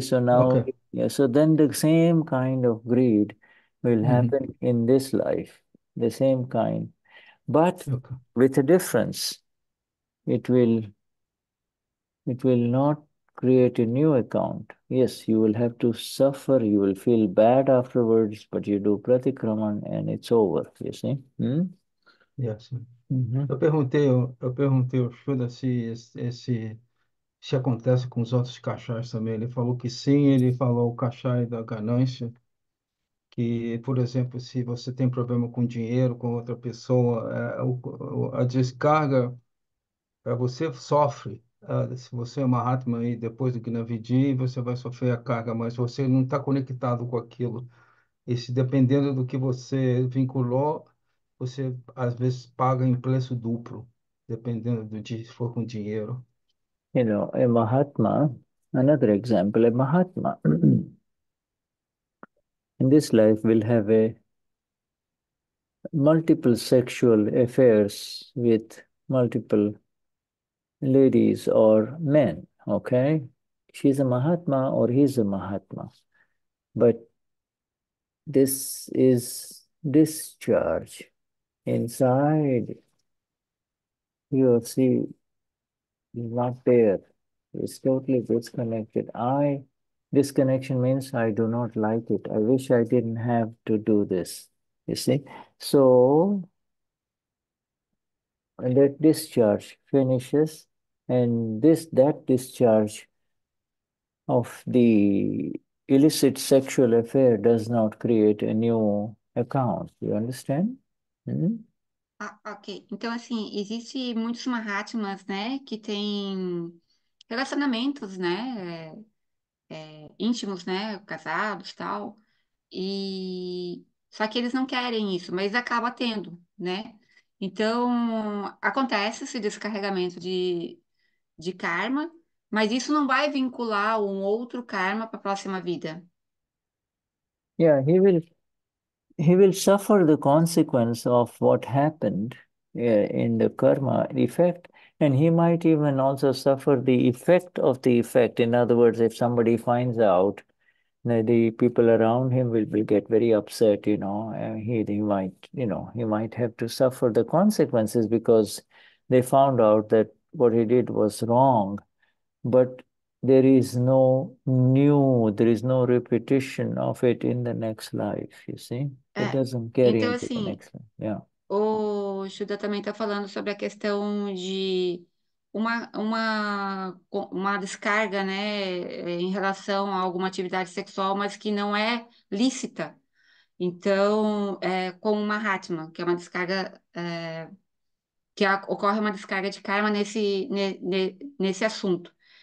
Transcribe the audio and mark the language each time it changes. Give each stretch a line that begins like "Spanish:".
English: So now, so then the same kind of greed will happen in this life, the same kind, but with a difference. It will not create a new account. Yes, you will have to suffer, you will feel bad afterwards, but you do pratikraman and it's over, you see. Yes.
Portuguese: Eu perguntei ao Shuddha se acontece com os outros cachais também. Ele falou que sim. Ele falou o cachai da ganância, que, por exemplo, se você tem problema com dinheiro, com outra pessoa, a descarga é você sofre. Se você é uma Mahatma e depois do Gnavidi, você vai sofrer a carga, mas você não está conectado com aquilo. E se dependendo do que você vinculou, você às vezes paga em preço duplo, dependendo do dia, se for com dinheiro.
English: You know, a Mahatma, another example, a Mahatma in this life will have a multiple sexual affairs with multiple ladies or men, okay? She's a Mahatma or he's a Mahatma. But this is discharge inside. You see, he's not there. It's totally disconnected. Disconnection means I do not like it. I wish I didn't have to do this. You see? So that discharge finishes, and that discharge of the illicit sexual affair does not create a new account. You understand?
Portuguese: Ah, ok, então assim, existe muitos mahatmas, né, que têm relacionamentos, né, íntimos, né, casados tal, e só que eles não querem isso, mas acaba tendo, né? Então acontece esse descarregamento de karma, mas isso não vai vincular um outro karma para a próxima vida.
English: Yeah, he will suffer the consequence of what happened in the karma effect, and he might even also suffer the effect of the effect. In other words, if somebody finds out, the people around him will get very upset, you know, and he might have to suffer the consequences because they found out that what he did was wrong. But There is no new, there is no repetition of it in the next life, you see? It doesn't carry
Portuguese: Então,
English: into the
Portuguese: assim,
English: next life. Yeah.
Portuguese: o Shuddha também está falando sobre a questão de uma descarga, né, em relação a alguma atividade sexual, mas que não é lícita. Então, com uma waht, que é uma descarga, que ocorre uma descarga de karma nesse assunto.